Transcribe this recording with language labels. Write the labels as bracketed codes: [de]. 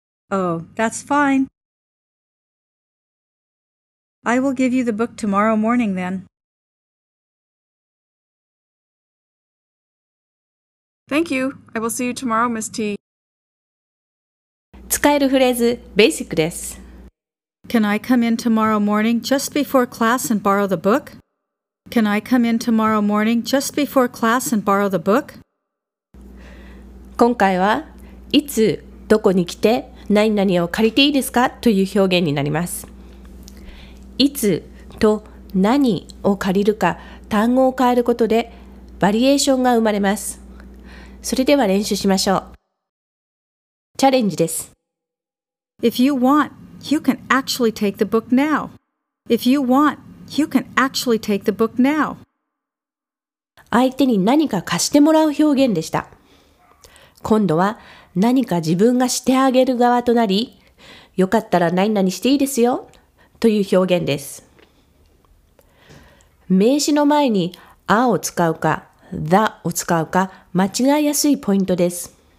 [en] Oh, that's fine. I will give you the book tomorrow morning then. Thank you. I will see you tomorrow, Miss T. [ja] 使えるフレーズ、ベーシックです。 [en] Can I come in tomorrow morning just before class and borrow the book? Can I come in tomorrow morning just before class and borrow the book? [ja] 今回は、いつ、どこに来て、何々を借りていいですかという表現になります。いつと何を借りるか単語を変えることでバリエーションが生まれます。それでは練習しましょう。チャレンジです。 [en] If you want, you can actually take the book now. If you want, you can actually take the book now. [ja] 相手に何か貸してもらう表現でした。今度は何か自分がしてあげる側となり、よかったら何々していいですよという表現です。名詞の前に a を使うか the を使うか間違いやすいポイントです。